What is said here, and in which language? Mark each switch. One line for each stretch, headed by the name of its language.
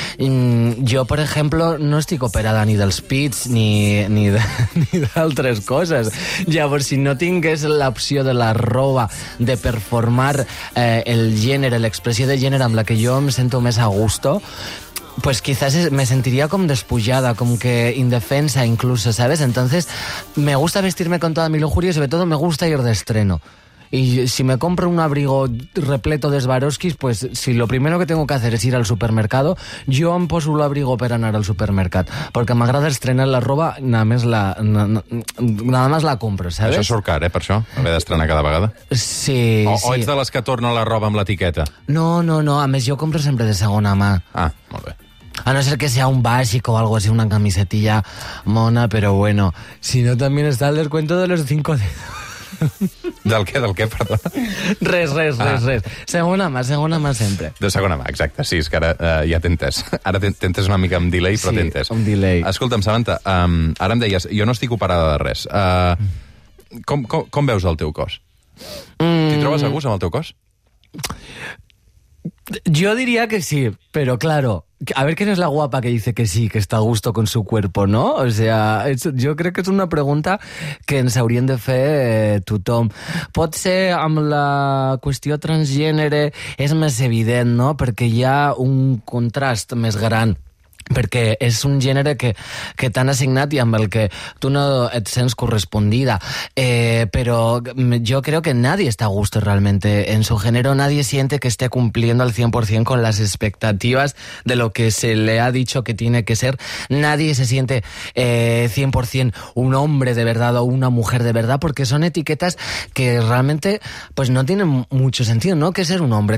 Catalan: Jo, per exemple, no estic operada ni dels pits ni d'altres coses. Llavors, si no tingués l'opció de la roba de performar el gènere, l'expressió de gènere amb la que jo em sento més a gusto,
Spanish: pues quizás me sentiría
Catalan: com despullada, com que indefensa incluso, ¿sabes?
Spanish: Entonces, me gusta vestirme con toda mi lujuria y sobre todo me gusta ir de estreno. Y si me compro un abrigo repleto de Swarovskis, pues si lo primero que tengo que hacer es ir al supermercado,
Catalan: yo em poso el abrigo per anar al supermercat, perquè m'agrada estrenar la roba,
Spanish: nada más la compro, ¿sabes?
Catalan: Això surt car, per això, haver d'estrenar cada vegada. Sí, sí. O ets de les que torna la roba amb l'etiqueta? No, a més jo compro sempre de segona mà. Ah, molt bé.
Spanish: A no ser que sea un básico o algo así, una camisetilla mona, pero bueno. Si no, también está el descuento de los cinco dedos.
Catalan: Del què, perdó? Res. Segona mà, sempre. De segona mà, exacte. Sí, és que ara ja t'entes. Ara t'entes una mica amb delay, però sí, t'entes. Sí, amb delay. Escolta'm, Samantha, ara em deies, jo no estic operada de res. Com veus el teu cos? T'hi trobes a gust amb el teu cos? Jo diria que sí, però claro...
Spanish: A ver quién es la guapa que dice que sí, que está a gusto con su cuerpo, ¿no? O sea, es, yo creo que es una pregunta que
Catalan: ens haurien de fer tothom. Pot ser amb la qüestió transgènere és més evident, ¿no? Perquè hi ha un contrast més gran. Perquè és un gènere que t'han assignat i amb el que tu no et sents correspondida. Però jo crec que nadie està a gust realment.
Spanish: En su género nadie siente que esté cumpliendo al 100% con las expectativas de lo que se le ha dicho que tiene que ser. Nadie se siente 100% un hombre de verdad o una mujer de verdad, porque son etiquetas que realmente pues no tienen mucho sentido, ¿no? ¿Qué ser un hombre?